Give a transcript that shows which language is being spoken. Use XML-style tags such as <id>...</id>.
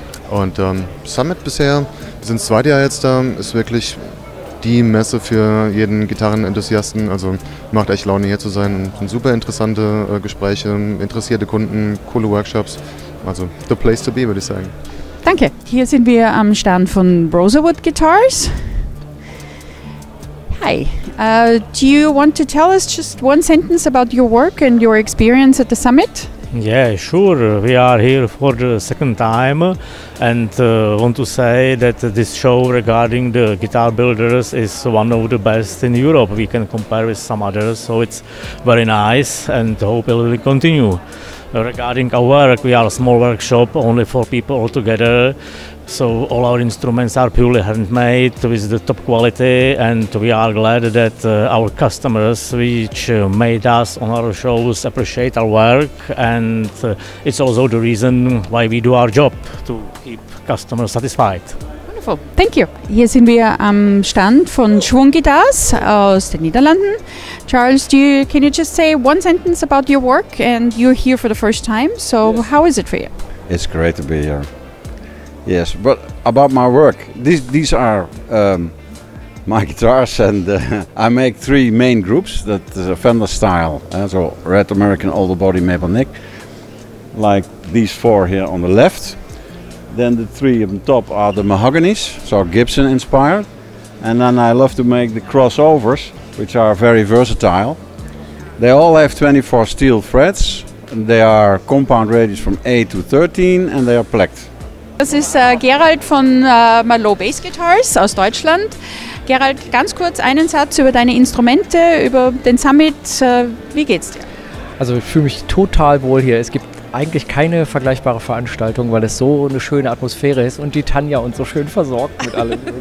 <de>Und Summit bisher, wir sind das zweite Jahr jetzt da, ist wirklich die Messe für jeden Gitarrenenthusiasten. Also macht echt Laune hier zu sein, sind super interessante Gespräche, interessierte Kunden, coole Workshops, also</de> <en>the place to be,</en> <de>würde ich sagen. Danke. Hier sind wir am Stand von Broserwood Guitars. Hi.</de> <en>Do you want to tell us just one sentence about your work and your experience at the summit? Yeah, sure. We are here for the second time and want to say that this show regarding the guitar builders is one of the best in Europe. We can compare with some others, so it's very nice and hope it will continue. Regarding our work, we are a small workshop, only four people all together. So all our instruments are purely handmade with the top quality and we are glad that our customers which made us on our shows appreciate our work and it's also the reason why we do our job, to keep customers satisfied. Wonderful, thank you.</en> <de>Hier sind wir am Stand von Schwung Guitars aus den Niederlanden.</de> <en>Charles, can you just say one sentence about your work and you're here for the first time, so yes. How is it for you? It's great to be here. Yes, but about my work, these are my guitars and I make three main groups. That is a Fender style, so Red American, Older Body, Maple Neck, like these four here on the left. Then the three on top are the Mahoganys, so Gibson inspired. And then I love to make the crossovers, which are very versatile. They all have 24 steel frets. And they are compound radius from 8 to 13 and they are plected.</en> <de>Das ist Gerald von Marlowe Bass Guitars aus Deutschland. Gerald, ganz kurz einen Satz über deine Instrumente, über den Summit. Wie geht's dir? Also ich fühle mich total wohl hier. Es gibt eigentlich keine vergleichbare Veranstaltung, weil es so eine schöne Atmosphäre ist und die Tanja uns so schön versorgt mit allem.</de>